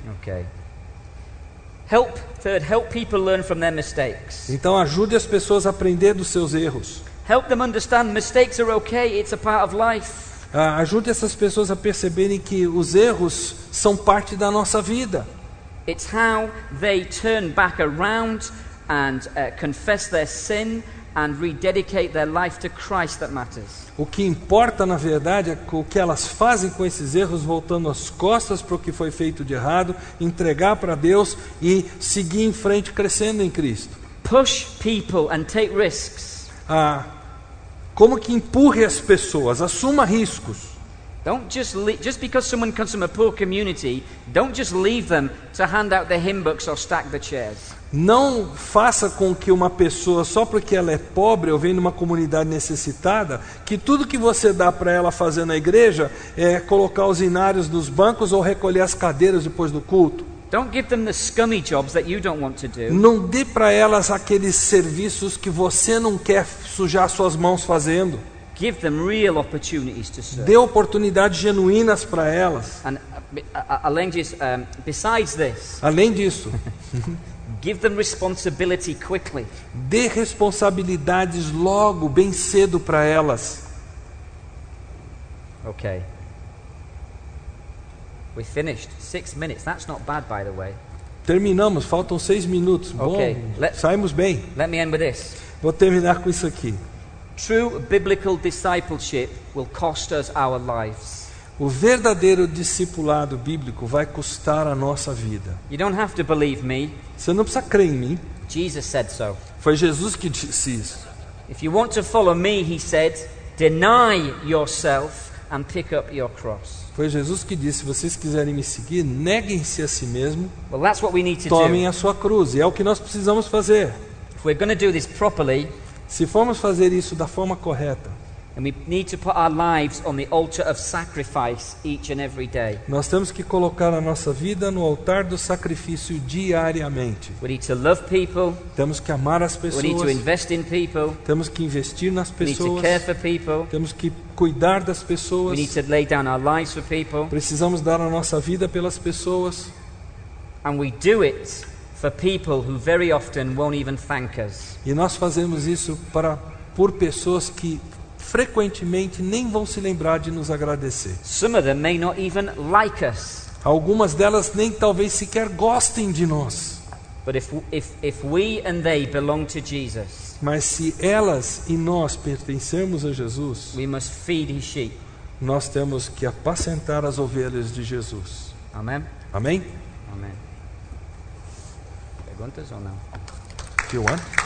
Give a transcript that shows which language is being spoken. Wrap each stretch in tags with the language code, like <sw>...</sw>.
<en>Okay. Help people learn from their mistakes.</en> <pt>Então ajude as pessoas a aprender dos seus erros.</pt> <en>Help them understand mistakes are okay, it's a part of life.</en> <pt>Ajude essas pessoas a perceberem que os erros são parte da nossa vida.</pt> <en>It's how they turn back around and confess their sin and rededicate their life to Christ that matters.</en> <pt>O que importa na verdade é o que elas fazem com esses erros, voltando as costas para o que foi feito de errado, entregar para Deus e seguir em frente crescendo em Cristo.</pt> <en>Push people and take risks.</en> <pt>Como que empurre as pessoas? Assuma riscos.</pt> <en>Just because someone comes from a poor community, don't just leave them to hand out the hymn books or stack the chairs.</en> <pt>Não faça com que uma pessoa, só porque ela é pobre ou vem de uma comunidade necessitada, que tudo que você dá para ela fazer na igreja é colocar os inários nos bancos ou recolher as cadeiras depois do culto.</pt> <en>Don't give them the scummy jobs that you don't want to do.</en> <pt>Não dê para elas aqueles serviços que você não quer sujar suas mãos fazendo.</pt> <en>Give them real opportunities to serve.</en> <pt>Dê oportunidades genuínas para elas.</pt> <en>And,</en> <pt>além disso,</pt> <en>besides this.</en> <pt>Além disso.</pt> <en>Give them responsibility quickly.</en> <pt>Dê responsabilidades logo, bem cedo para elas.</pt> <en>Okay. We finished. 6 minutes. That's not bad, by the way.</en> <pt>Terminamos. Faltam 6 minutos.</pt> <en>Okay.</en> <pt>Bom. Saímos bem.</pt> <en>Let me end with this.</en> <pt>Vou terminar com isso aqui.</pt> <en>True biblical discipleship will cost us our lives.</en> <pt>O verdadeiro discipulado bíblico vai custar a nossa vida.</pt> <en>You don't have to believe me.</en> <pt>Você não precisa crer em mim.</pt> <en>Jesus said so.</en> <pt>Foi Jesus que disse isso.</pt> <en>If you want to follow me, he said, deny yourself and pick up your cross.</en> <pt>Foi Jesus que disse, se vocês quiserem me seguir, neguem-se a si mesmo.</pt> <en>Well, that's what we need to</en> <pt>tomem</pt> <en>do.</en> <pt>A sua cruz, e é o que nós precisamos fazer.</pt> <en>If we're going to do this properly,</en> <pt>se formos fazer isso da forma correta, nós temos que colocar a nossa vida no altar do sacrifício diariamente.</pt> <en>We need to love people.</en> <pt>Temos que amar as pessoas.</pt> <en>We need to invest in people.</en> <pt>Temos que investir nas pessoas.</pt> <en>We need to care for people.</en> <pt>Temos que cuidar das pessoas.</pt> <en>We need to lay down our lives for people.</en> <pt>Precisamos dar a nossa vida pelas pessoas.</pt> <en>And we do it for people who very often won't even thank us.</en> <pt>E nós fazemos isso para por pessoas que frequentemente nem vão se lembrar de nos agradecer.</pt> <en>Some of them may not even like us.</en> <pt>Algumas delas nem talvez sequer gostem de nós.</pt> <en>But if we and they belong to Jesus,</en> <pt>mas se elas e nós pertencemos a Jesus,</pt> <en>we must feed his sheep.</en> <pt>Nós temos que apacentar as ovelhas de Jesus. Amém? Amém? Amém. Perguntas ou não?</pt> <en>If you want.</en>